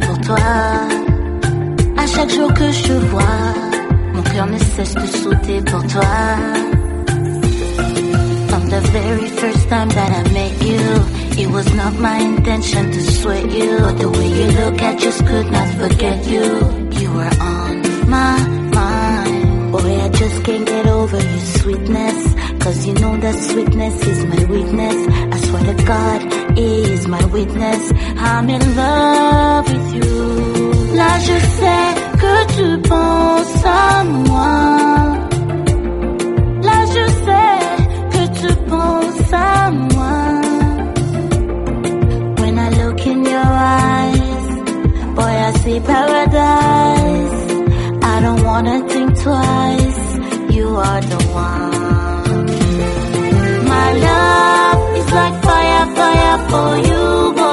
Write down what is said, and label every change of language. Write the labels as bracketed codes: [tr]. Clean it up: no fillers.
[fr] À chaque jour que je te vois, mon cœur ne cesse de sauter pour toi. [en] From the very first time that I met you, it was not my intention to sweat you. But the way you look, I just could not forget you. You were on my mind. Boy, I just can't get over your sweetness. Cause you know that sweetness is my weakness. I swear to God, it is my witness. I'm in love with you. [fr] Là je sais que tu penses à moi. Là je sais que tu penses à moi. [en] When I look in your eyes, boy I see paradise. I don't wanna think twice. You are the one. My love is like fire, fire for you.